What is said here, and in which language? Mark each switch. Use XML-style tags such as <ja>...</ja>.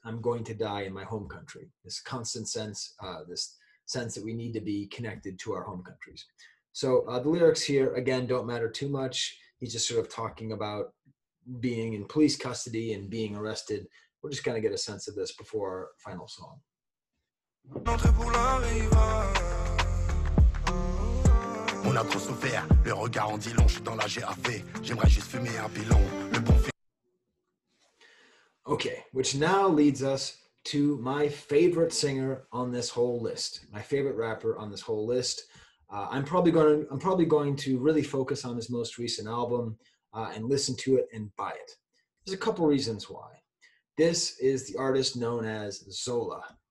<en>I'm going to die in my home country. This constant sense, this sense that we need to be connected to our home countries. So the lyrics here, again, don't matter too much. He's just sort of talking about being in police custody and being arrested. We're just going to get a sense of this before our final song.</en> <fr>On a trop souffert, le regard en dit long, je suis dans la GAV, j'aimerais juste fumer un pilon, le bon fait.</fr> <en>Okay, which now leads us to my favorite singer on this whole list, my favorite rapper on this whole list. I'm probably going to really focus on his most recent album and listen to it and buy it. There's a couple reasons why. This is the artist known as Zola.</en>